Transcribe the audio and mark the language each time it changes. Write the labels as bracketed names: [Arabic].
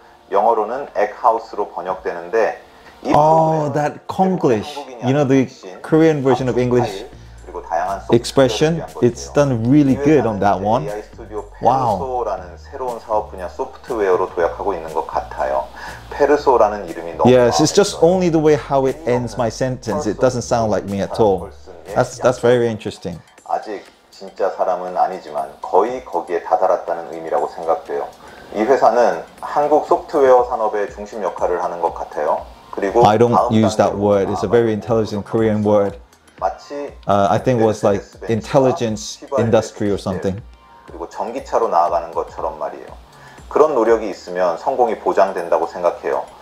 [Korean] 영어로는 에그하우스로 번역되는데 [English] Oh, that Konglish. You know the Korean version of English expression? It's done really good on that one. Wow. [Korean] 페르소라는 새로운 사업 분야 소프트웨어로 도약하고 있는 것 같아요. 페르소라는 이름이 너무 [English] Yes, it's just only the way how it ends my sentence. It doesn't sound like me at all. That's very interesting. [Korean] 아직 진짜 사람은 아니지만 거의 거기에 다다랐다는 의미라고 생각돼요. 이 회사는 한국 소프트웨어 산업의 중심 역할을 하는 것 같아요. 그리고 [English] I don't use that word. It's a very intelligent Korean word. I think it was like intelligence industry or something. [Korean] 그리고 전기차로 나아가는 것처럼 말이에요. 그런 노력이 있으면 성공이 보장된다고 생각해요.